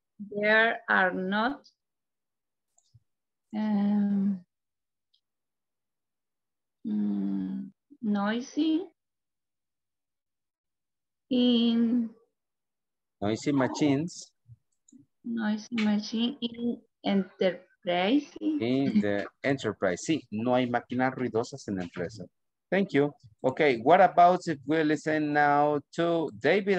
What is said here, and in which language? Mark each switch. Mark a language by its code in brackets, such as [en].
[en] There are not noisy machines in the enterprise. [es] Sí, no hay máquinas ruidosas en la empresa. [en] Thank you. Okay, what about if we listen now to David?